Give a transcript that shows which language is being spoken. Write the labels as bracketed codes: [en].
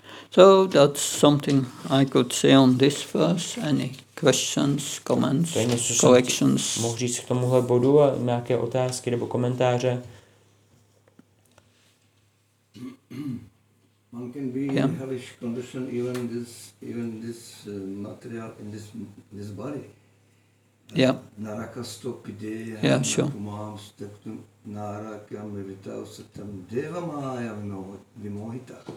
[en] So that's something I could say on this verse. Any questions, comments, corrections? [cs] Mohu říct k tomuhle bodu a nějaké otázky nebo komentáře? [en] One can be in hellish condition even this material in this body. [sa] Narakasto pideya kumam steptum narakam mevita usatam deva maya vimohita.